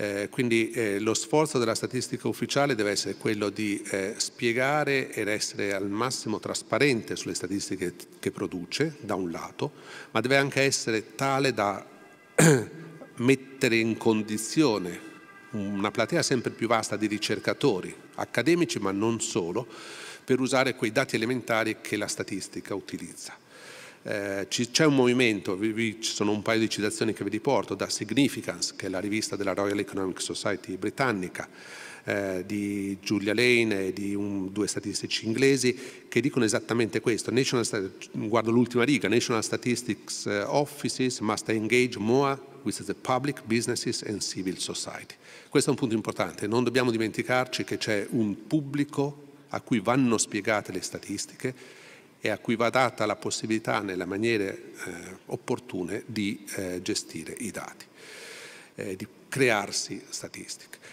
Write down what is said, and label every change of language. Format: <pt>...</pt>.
<it>Quindi lo sforzo della statistica ufficiale deve essere quello di spiegare ed essere al massimo trasparente sulle statistiche che produce, da un lato, ma deve anche essere tale da mettere in condizione una platea sempre più vasta di ricercatori, accademici ma non solo, per usare quei dati elementari che la statistica utilizza. C'è un movimento, ci sono un paio di citazioni che vi riporto, da Significance, che è la rivista della Royal Economic Society britannica, di Julia Lane e di due statistici inglesi, che dicono esattamente questo. Guardo l'ultima riga:</it> <en>National Statistics Offices must engage more with the public, businesses and civil society.</en> <it>Questo è un punto importante, non dobbiamo dimenticarci che c'è un pubblico a cui vanno spiegate le statistiche e a cui va data la possibilità, nella maniera opportune, di gestire i dati, di crearsi statistiche.</it>